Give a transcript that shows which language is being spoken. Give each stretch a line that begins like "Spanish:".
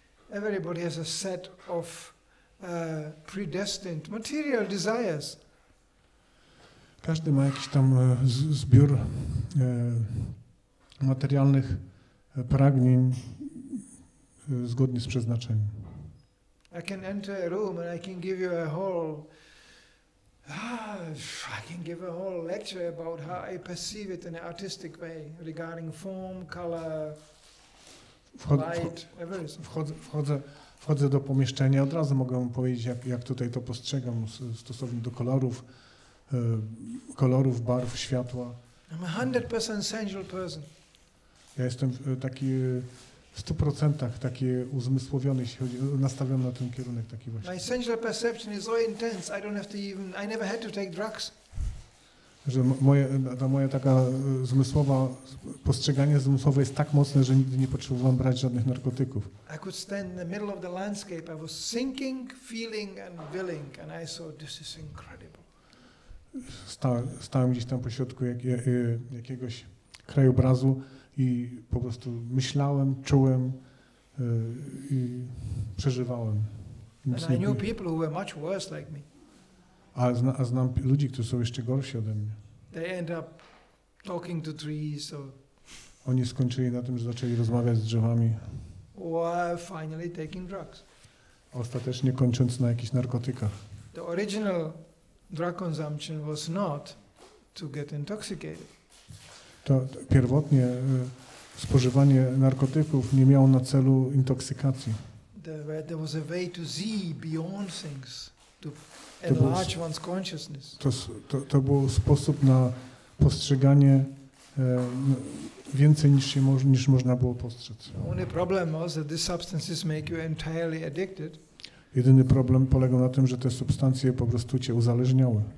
English: Everybody has a set of predestined material desires.
Polish: Każdy ma jakiś tam zbiór materialnych pragnień zgodnie z przeznaczeniem.
English: I can enter a room and I can give you a whole I can give a whole lecture about how I perceive it in an artistic way regarding form, color, light, everything.
Polish: Wchodzę do pomieszczenia, od razu mogę powiedzieć, jak tutaj to postrzegam stosownie do kolorów, barw, światła.
English: I'm 100% sensual person.
Polish: Ja jestem taki w 100% taki uzmysłowiony, jeśli chodzi, nastawiony na ten kierunek taki właśnie.
English: My sensual perception is so intense, I never had to take drugs.
Polish: Że moja taka zmysłowa, postrzeganie zmysłowe jest tak mocne, że nigdy nie potrzebowałem brać żadnych narkotyków.
English: I could stand in the middle of the landscape, I was thinking, feeling and willing, and I saw this is incredible.
Polish: Stałem gdzieś tam pośrodku jakiegoś krajobrazu i po prostu myślałem, czułem i przeżywałem.
English: I knew people who were much worse like me.
Polish: A znam ludzi, którzy są jeszcze gorsi ode mnie.
English: They end up talking to trees. Or
Polish: oni skończyli na tym, że zaczęli rozmawiać z drzewami.
English: Or finally taking drugs.
Polish: Ostatecznie kończąc na jakichś narkotykach.
English: The original drug consumption was not to get intoxicated.
Polish: To pierwotnie spożywanie narkotyków nie miało na celu intoksykacji.
English: There was a way to see beyond things, to enlarge one's consciousness.
Polish: To był sposób na postrzeganie więcej niż można było postrzec.
English: Only problem was that these substances make you entirely addicted.
Polish: Jedyny problem polegał na tym, że te substancje po prostu cię uzależniały.